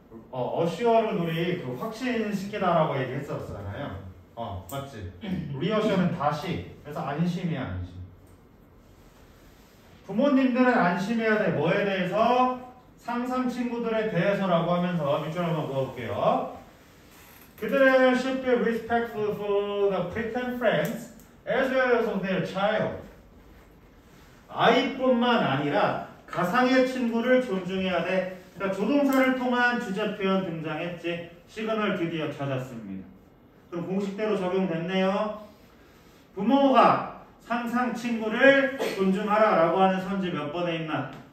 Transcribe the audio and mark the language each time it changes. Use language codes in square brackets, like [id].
[ko] 어슈어를 우리 그 확신시키다라고 얘기했었잖아요. 어, 맞지? 리어셔는 다시. 그래서 안심이야, 안심. 부모님들은 안심해야 돼. 뭐에 대해서? 상상 친구들에 대해서라고 하면서 밑줄 한번 그어볼게요. 그들은 [en] should be respectful for the pretend friends as well as their child. [ko] 아이뿐만 아니라 가상의 친구를 존중해야 돼. 그러니까 조동사를 통한 주제 표현 등장했지. 시그널 드디어 찾았습니다. 그럼 공식대로 적용됐네요. 부모가 상상 친구를 존중하라라고 하는 선지 몇 번에 있나?